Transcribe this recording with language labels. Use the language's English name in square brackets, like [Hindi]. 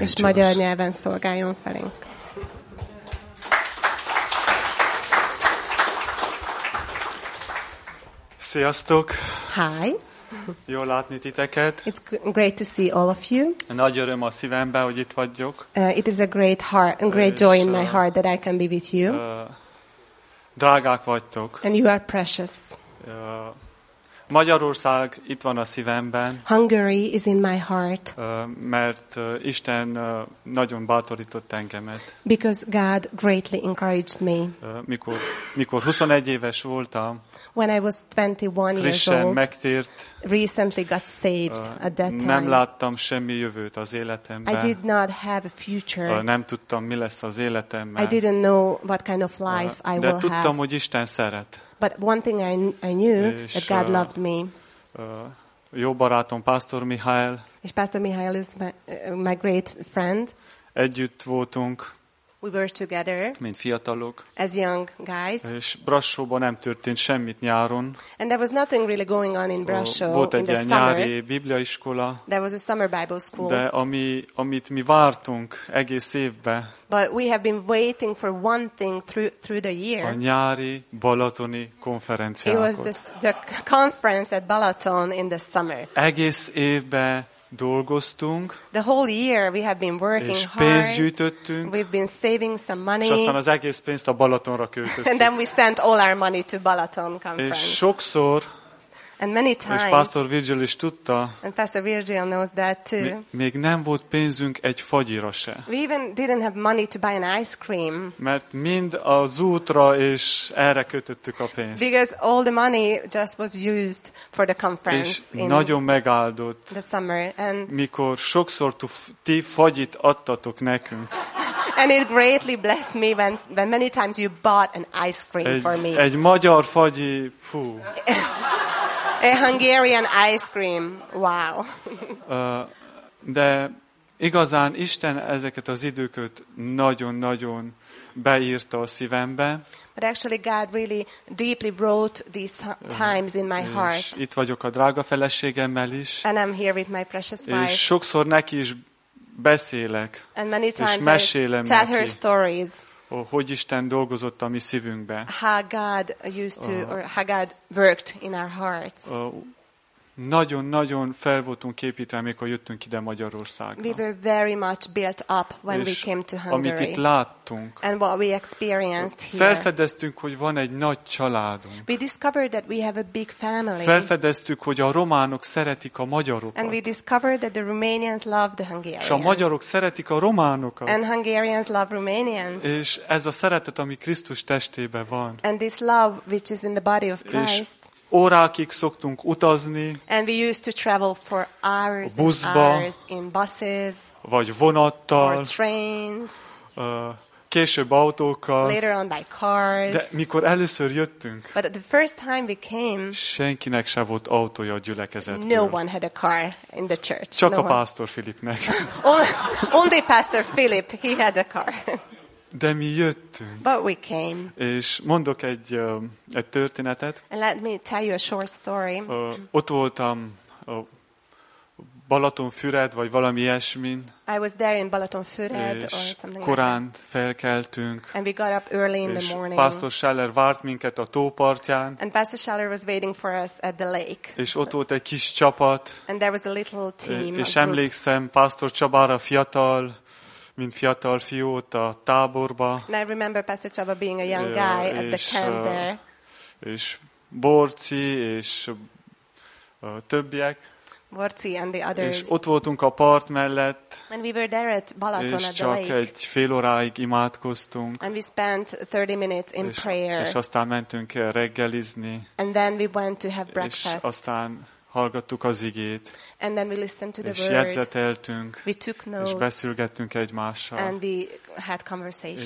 [Hungarian] És magyar nyelven szolgáljon felénk. Sziasztok. [English] Hi. [Hungarian] Jó látni titeket. [English] It's great to see all of you. [Hungarian] Nagy öröm a szívemben, hogy itt vagyok. [English] It is a great heart, a great joy in my heart that I can be with you. [Hungarian] Drágák vagytok. [English] And you are precious. [Hungarian] Magyarország itt van a szívemben. [English] Hungary is in my heart. [Hungarian] Mert Isten nagyon bátorított engemet. [English] Because God greatly encouraged me. [Hungarian] Mikor 21 éves voltam. [English] When I was 21 years old. [Hungarian] Frissen megtért. [English] Recently got saved at that time. [Hungarian] Nem láttam semmi jövőt az életemben. [English] I did not have a future. [Hungarian] Nem tudtam, mi lesz az életemben. [English] I didn't know what kind of life I will [Hungarian] tudtam, [English] have. [Hungarian] De tudtam, hogy Isten szeret. [English] But one thing I knew, és, that God loved me. [Hungarian] Jó barátom, Pastor Mihály. [English] És Pastor Mihály is my great friend. [Hungarian] Együtt voltunk. [English] We were together. [Hungarian] Mint fiatalok. [English] As young guys. [Hungarian] És Brassóban nem történt semmit nyáron. [English] And there was nothing really going on in Brassó. [Hungarian] Volt egy [English] in the [Hungarian] nyári [English] summer. [Hungarian] Bibliaiskola. [English] There was a summer Bible school. [Hungarian] De amit mi vártunk egész évbe. [English] But we have been waiting for one thing through the year. [Hungarian] A nyári balatoni konferenciát. [English] It was the conference at Balaton in the summer. [Hungarian] Egész évbe dolgoztunk. [English] The whole year we have been working [Hungarian] hard. Pénzt gyűjtöttünk. [English] We've been saving some money. [Hungarian] És aztán az egész pénzt a Balatonra költöttük. [English] And then we sent all our money to Balaton conference. [Hungarian] És sokszor. [English] And many times. [Hungarian] És Pastor Virgil is tudta. [English] And Pastor Virgil knows that too. [Hungarian] Még nem volt pénzünk egy fagyira se. [English] We even didn't have money to buy an ice cream. [Hungarian] Mert mind az útra és erre kötöttük a pénzt. [English] Because all the money just was used for the conference. [Hungarian] És nagyon megáldott. [English] The summer. And [Hungarian] mikor sokszor ti fagyit adtatok nekünk. [English] And it greatly blessed me when many times you bought an ice cream for me. [Hungarian] Egy magyar fagyi, fú. [English] A Hungarian ice cream. Wow. [Hungarian] De igazán Isten ezeket az időket nagyon-nagyon beírta a szívembe. [English] But actually God really deeply wrote these times in my heart. [Hungarian] És itt vagyok a drága feleségemmel is. [English] And I'm here with my precious wife. [Hungarian] És sokszor neki is beszélek. [English] And many times [Hungarian] és mesélem [English] I tell [Hungarian] neki. [English] Her stories. [Hungarian] Hogy Isten dolgozott a mi szívünkbe. [English] How God used to, or how God worked in our hearts. [Hungarian] Nagyon-nagyon fel voltunk építve, amikor jöttünk ide Magyarországra. [English] We were very much built up when we came to Hungary. [Hungarian] Amit itt láttunk. [English] And what we experienced here. [Hungarian] Felfedeztünk, hogy van egy nagy családunk. [English] We discovered that we have a big family. [Hungarian] Felfedeztük, hogy a románok szeretik a magyarokat. [English] And we discovered that the Romanians love the Hungarians. [Hungarian] És a magyarok szeretik a románokat. [English] And Hungarians love Romanians. [Hungarian] És ez a szeretet, ami Krisztus testében van. [English] And this love which is in the body of Christ. [Hungarian] Órákig szoktunk utazni. [English] And we used to travel for hours [Hungarian] buszba, [English] and hours in buses. [Hungarian] Vagy vonattal. [English] Or trains. [Hungarian] Később autókkal. [English] Later on by cars. [Hungarian] De mikor először jöttünk. [English] But the first time we came. [Hungarian] Senkinek se volt autója a gyülekezetből. [English] No one had a car in the church. [Hungarian] Csak [English] no [Hungarian] a pásztor Philipnek. [English] Only Pastor Philip, he had a car. [Hungarian] De mi jöttünk. [English] But we came. [Hungarian] És mondok egy történetet. [English] And let me tell you a short story. [Hungarian] Ott voltam a Balatonfüred, vagy valami ilyesmin. [English] I was there in Balatonfüred, or something like [Hungarian] korán felkeltünk. [English] And we got up early in the morning. [Hungarian] És Pastor Scheller várt minket a tópartján. [English] And Pastor Scheller was waiting for us at the lake. [Hungarian] És ott volt egy kis csapat. [English] And there was a little team. [Hungarian] És emlékszem, Pastor Csabára fiatal, mint fiatal fiú ott a táborba. [English] And I remember Pastor Csaba being a young guy at the camp there. [Hungarian] És Borci és többiek. [English] Borci and the others. [Hungarian] És ott voltunk a part mellett. [English] And we were there at Balaton at the lake. [Hungarian] És csak egy fél óráig imádkoztunk. [English] And we spent 30 minutes in prayer. [Hungarian] És aztán mentünk reggelizni. [English] And then we went to have breakfast. [Hungarian] És aztán hallgattuk az igét, [English] and then we listened to the [Hungarian] és jegyzeteltünk, [English] we took notes, [Hungarian] és beszélgettünk egymással, [English] and we had conversations.